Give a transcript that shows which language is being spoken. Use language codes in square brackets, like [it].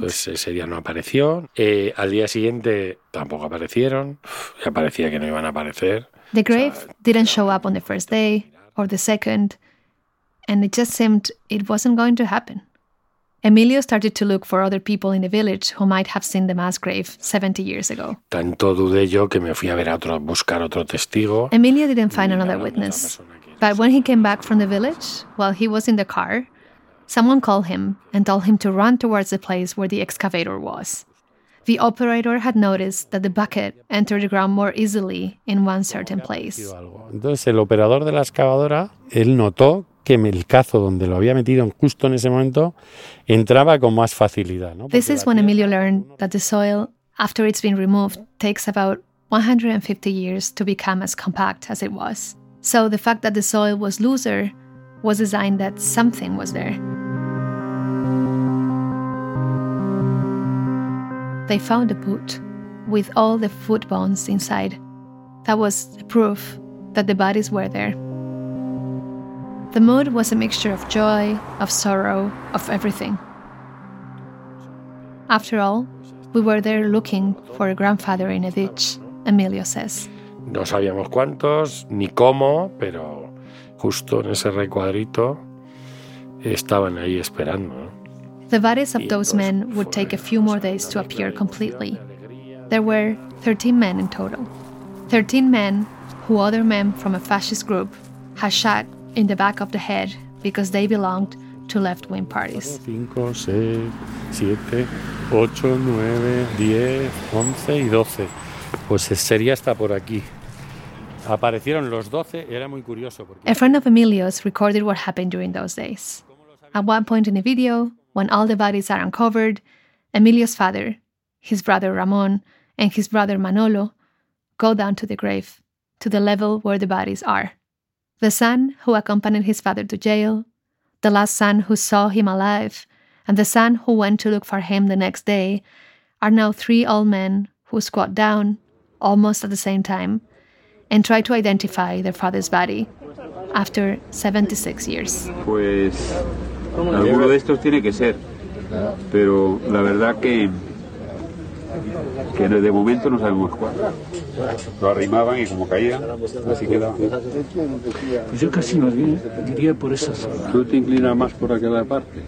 [es] Entonces ese día no apareció. Al día siguiente tampoco aparecieron. Ya parecía que no iban a aparecer. [en] The grave didn't show up on the first day or the second, and it just seemed it wasn't going to happen. Emilio started to look for other people in the village who might have seen the mass grave 70 years ago. [es] Tanto dudé yo que me fui a ver a otro, buscar otro testigo. [en] Emilio didn't find another witness. But when he came back from the village, while he was in the car, someone called him and told him to run towards the place where the excavator was. The operator had noticed that the bucket entered the ground more easily in one certain place. [es] Entonces el operador de la excavadora, él notó que el cazo donde lo había metido justo en ese momento entraba con más facilidad, ¿no? [en] This is when Emilio learned that the soil, after it's been removed, takes about 150 years to become as compact as it was. So the fact that the soil was looser was a sign that something was there. They found a boot with all the foot bones inside. That was the proof that the bodies were there. The mood was a mixture of joy, of sorrow, of everything. After all, we were there looking for a grandfather in a ditch, Emilio says. [es] No sabíamos cuántos ni cómo, pero justo en ese recuadrito estaban ahí esperando. [en] The bodies of those men would take a few more days to appear completely, there were 13 men in total. 13 men who other men from a fascist group had shot in the back of the head because they belonged to left-wing parties. [es] 5, 6, 7, 8, 9, 10, 11 y 12. Pues sería hasta por aquí. Aparecieron los 12, era muy curioso. [en] A friend of Emilio's recorded what happened during those days. At one point in the video, when all the bodies are uncovered, Emilio's father, his brother Ramon, and his brother Manolo go down to the grave, to the level where the bodies are. The son who accompanied his father to jail, the last son who saw him alive, and the son who went to look for him the next day are now three old men who squat down, almost at the same time, and try to identify their father's body after 76 years. [es] Pues, alguno de estos tiene que ser. Pero la verdad que de momento no sabemos cuál. Lo arrimaban y como caían, así quedaban. Pues yo casi más bien diría por esas. ¿Tú te inclinas más por aquella parte?